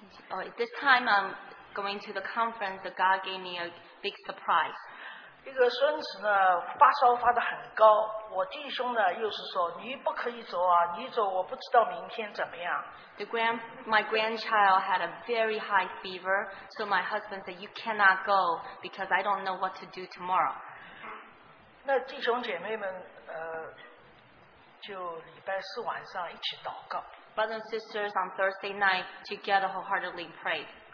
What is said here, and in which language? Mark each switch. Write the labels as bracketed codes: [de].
[en] Oh, this time I'm going to the conference, the God gave me a big surprise. [zh] 一个孙子呢，发烧发得很高，我弟兄呢又是说你不可以走啊，你走我不知道明天怎么样。 [en] The grand, my grandchild had a very high fever, so my husband said you cannot go because I don't know what to do tomorrow. [zh] 那弟兄姐妹们，就礼拜四晚上一起祷告。 [en] Brothers and sisters, on Thursday night, together wholeheartedly prayed.